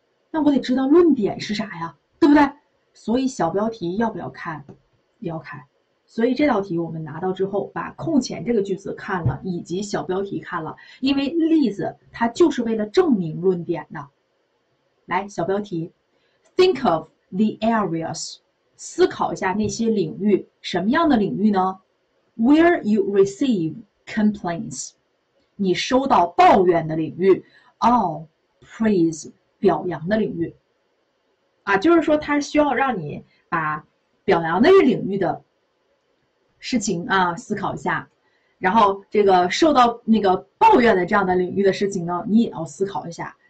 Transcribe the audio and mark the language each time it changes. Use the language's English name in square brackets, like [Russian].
[Chinese] 那我得知道论点是啥呀，对不对？所以小标题要不要看？要看。所以这道题我们拿到之后，把空前这个句子看了，以及小标题看了，因为例子它就是为了证明论点的。来，小标题， [English] Think of the areas。 [Chinese] 思考一下那些领域，什么样的领域呢？ [English] Where you receive complaints， [Chinese] 你收到抱怨的领域， [English] or praise [Chinese] 表扬的领域，啊，就是说它需要让你把表扬的领域的事情啊思考一下，然后这个受到那个抱怨的这样的领域的事情呢，你也要思考一下。